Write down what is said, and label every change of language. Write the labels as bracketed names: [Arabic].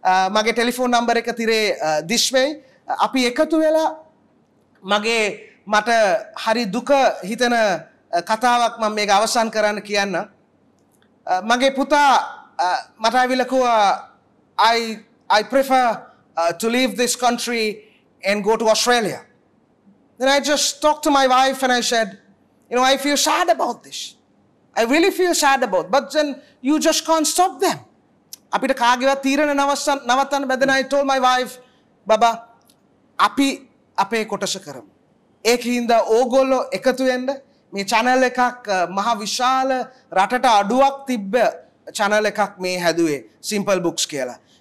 [Sinhala] මගේ telephone number එක තිරේ දිස්වේයි අපි එකතු වෙලා මගේ මට හරි දුක හිතෙන කතාවක් මම මේක අවසන් කරන්න කියන්න මගේ පුතා මට ඇවිල්ලා කිව්වා [English] I prefer to leave this country and go to Australia. Then I just talked to my wife and I said, you know, I feel sad about this. I really feel sad about it. But then you just can't stop them. [Sinhala] අපිට කාගේවත් තීරණ නවත්තන්න බැද නයි [English] told my wife, Baba, [Sinhala] අපි අපේ කොටස කරමු. ඒකින්ද ඕගොල්ලෝ එකතු වෙන්න මේ channel එකක් මහ විශාල රටට අඩුවක් තිබ්බ channel එකක් මේ හැදුවේ simple books කියලා.